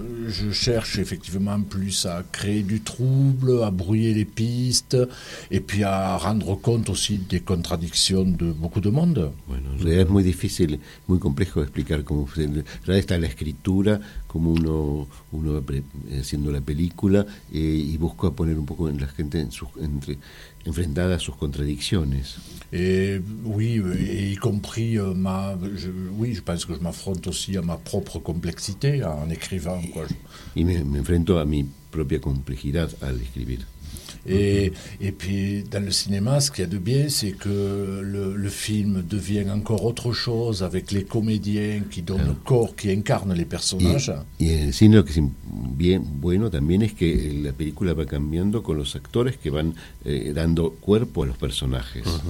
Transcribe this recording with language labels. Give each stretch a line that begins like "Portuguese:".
French: Je cherche effectivement plus à créer du trouble, à brouiller les pistes et puis à rendre compte aussi des contradictions de beaucoup de monde.
Spanish: Bueno, es muy difícil, muy complejo explicar cómo está la escritura, cómo uno va haciendo la película y busco a poner un poco en la gente enfrentada a sus contradicciones.
French: Je pense que je m'affronte aussi à ma propre complexité en écrivant, quoi.
Spanish: Y me enfrento a mi propia complejidad al escribir.
French: Et puis dans le cinéma, ce qu'il y a de bien, c'est que le film devient encore autre chose avec les comédiens qui donnent le corps, qui incarnent les personnages.
Spanish: Y en el cine lo que es bien bueno también es que la película va cambiando con los actores que van dando cuerpo a los personajes.